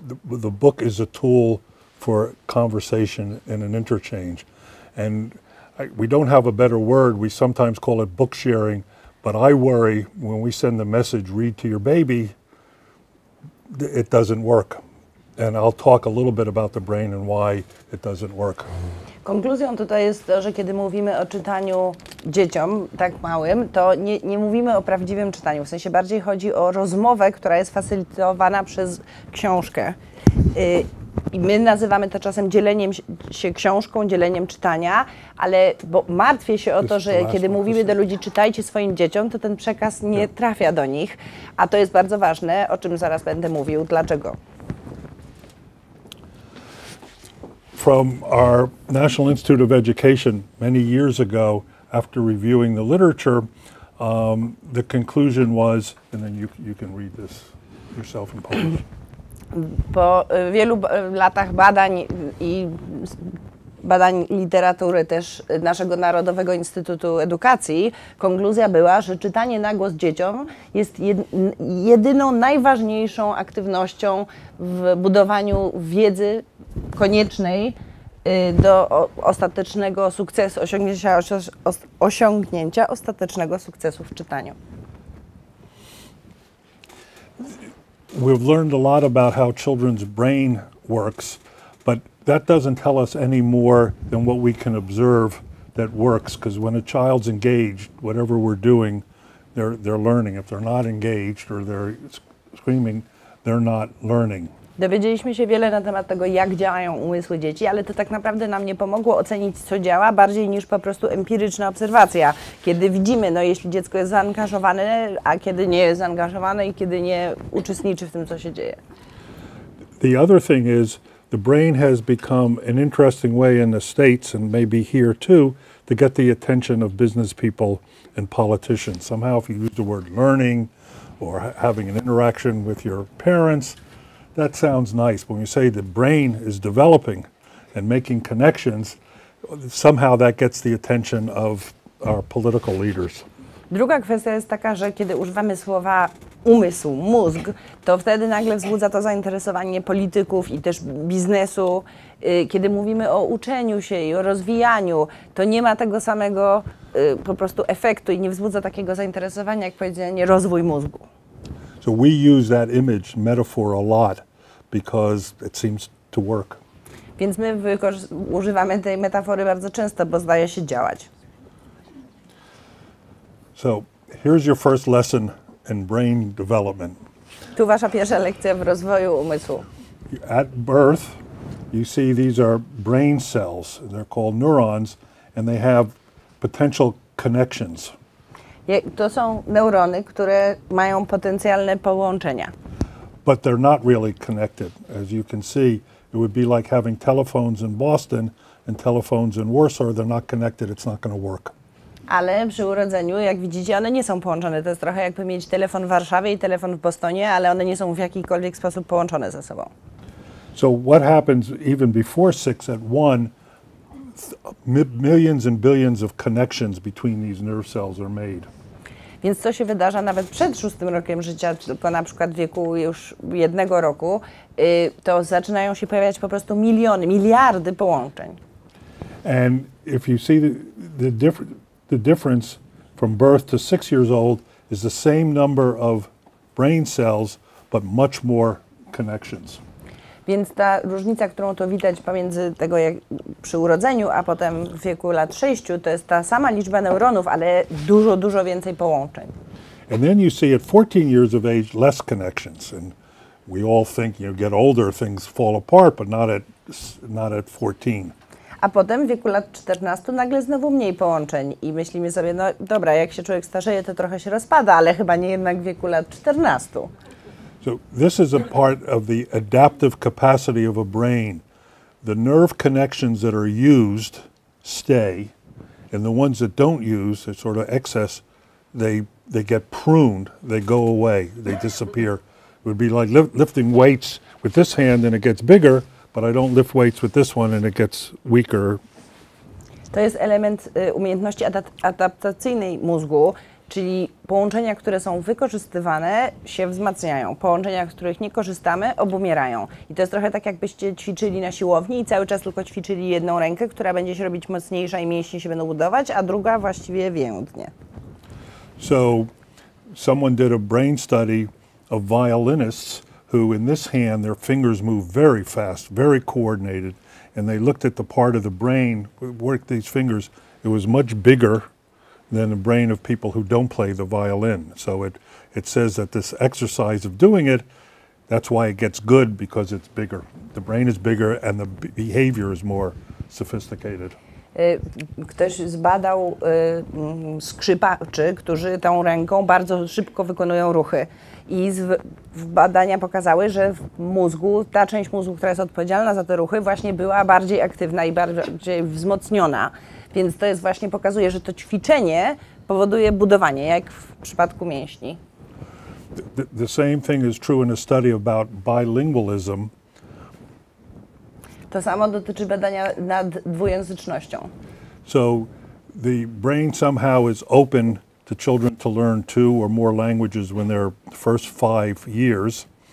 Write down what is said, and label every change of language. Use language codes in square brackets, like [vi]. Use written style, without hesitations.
[en] The book is a tool for conversation and an interchange. And we don't have a better word. We sometimes call it book sharing. But I worry when we send the message, read to your baby, it doesn't work. And I'll talk a little bit about the brain and why it doesn't work. [pl] Konkluzją tutaj jest to, że kiedy mówimy o czytaniu dzieciom, tak małym, to nie mówimy o prawdziwym czytaniu. W sensie bardziej chodzi o rozmowę, która jest facylitowana przez książkę. I my nazywamy to czasem dzieleniem się książką, dzieleniem czytania, ale bo martwię się o to, że kiedy mówimy do ludzi, czytajcie swoim dzieciom, to ten przekaz nie trafia do nich. A to jest bardzo ważne, o czym zaraz będę mówił, dlaczego. [en] From our National Institute of Education many years ago, after reviewing the literature, the conclusion was, and then you can read this yourself in Polish. [pl] Po wielu latach badań i badań literatury też naszego Narodowego Instytutu Edukacji, konkluzja była, że czytanie na głos dzieciom jest jedyną najważniejszą aktywnością w budowaniu wiedzy koniecznej do ostatecznego sukcesu, osiągnięcia ostatecznego sukcesu w czytaniu. [en] We've learned a lot about how children's brain works, but that doesn't tell us any more than what we can observe that works, because when a child's engaged, whatever we're doing, they're learning. If they're not engaged or they're screaming, they're not learning. [pl] Dowiedzieliśmy się wiele na temat tego, jak działają umysły dzieci, ale to tak naprawdę nam nie pomogło ocenić, co działa, bardziej niż po prostu empiryczna obserwacja. Kiedy widzimy, no jeśli dziecko jest zaangażowane, a kiedy nie jest zaangażowane i kiedy nie uczestniczy w tym, co się dzieje. [en] The other thing is, the brain has become an interesting way in the States and maybe here too, to get the attention of business people and politicians. Somehow if you use the word learning or having an interaction with your parents, that sounds nice, but when you say the brain is developing and making connections, somehow that gets the attention of our political leaders. [pl] Druga kwestia jest taka, że kiedy używamy słowa umysł, mózg, to wtedy nagle wzbudza to zainteresowanie polityków i też biznesu. Kiedy mówimy o uczeniu się i o rozwijaniu, to nie ma tego samego po prostu efektu i nie wzbudza takiego zainteresowania, jak powiedzenie rozwój mózgu. [en] So we use that image, metaphor a lot, because it seems to work. [pl] Więc my używamy tej metafory bardzo często, bo zdaje się działać. [en] So here's your first lesson in brain development. [pl] Tu wasza pierwsza lekcja w rozwoju umysłu. [en] At birth, you see these are brain cells. They're called neurons, and they have potential connections. [pl] To są neurony, które mają potencjalne połączenia. [en] But they're not really connected. As you can see, it would be like having telephones in Boston and telephones in Warsaw. They're not connected, it's not going to work. [pl] Ale przy urodzeniu, jak widzicie, one nie są połączone. To jest trochę jakby mieć telefon w Warszawie i telefon w Bostonie, ale one nie są w jakikolwiek sposób połączone ze sobą. [en] So what happens even before six at one, millions and billions of connections between these nerve cells are made. [pl] Więc co się wydarza nawet przed szóstym rokiem życia, tylko na przykład w wieku już jednego roku, to zaczynają się pojawiać po prostu miliony, miliardy połączeń. [en] And if you see the difference from birth to 6 years old is the same number of brain cells, but much more connections. [pl] Więc ta różnica, którą to widać pomiędzy tego jak przy urodzeniu, a potem w wieku lat 6, to jest ta sama liczba neuronów, ale dużo, dużo więcej połączeń. [en] And then you see at 14 years of age, less connections. And we all think, you get older, things fall apart, but not at 14. [pl] A potem w wieku lat 14 nagle znowu mniej połączeń i myślimy sobie, no dobra, jak się człowiek starzeje, to trochę się rozpada, ale chyba nie jednak w wieku lat 14. [en] So this is a part of the adaptive capacity of a brain. The nerve connections that are used stay, and the ones that don't use, that sort of excess, they get pruned, they go away, they disappear. It would be like lifting weights with this hand and it gets bigger, but I don't lift weights with this one and it gets weaker. [pl] To jest element umiejętności adaptacyjnej mózgu. Czyli połączenia, które są wykorzystywane, się wzmacniają. Połączenia, których nie korzystamy, obumierają. I to jest trochę tak, jakbyście ćwiczyli na siłowni i cały czas tylko ćwiczyli jedną rękę, która będzie się robić mocniejsza i mięśnie się będą budować, a druga właściwie więdnie. [en] So, someone did a brain study of violinists who in this hand, their fingers move very fast, very coordinated, and they looked at the part of the brain, work these fingers, it was much bigger than the brain of people who don't play the violin. So it says that this exercise of doing it, that's why it gets good, because it's bigger. The brain is bigger and the behavior is more sophisticated. [pl] Ktoś zbadał skrzypaczy, którzy tą ręką bardzo szybko wykonują ruchy. I badania pokazały, że w mózgu, ta część mózgu, która jest odpowiedzialna za te ruchy, właśnie była bardziej aktywna i bardziej wzmocniona. Więc to jest właśnie pokazuje, że to ćwiczenie powoduje budowanie, jak w przypadku mięśni. [en] The same thing is true in a study about bilingualism. [pl] To samo dotyczy badania nad dwujęzycznością. [en] So the brain somehow is open to children to learn two or more languages when they're first 5 years.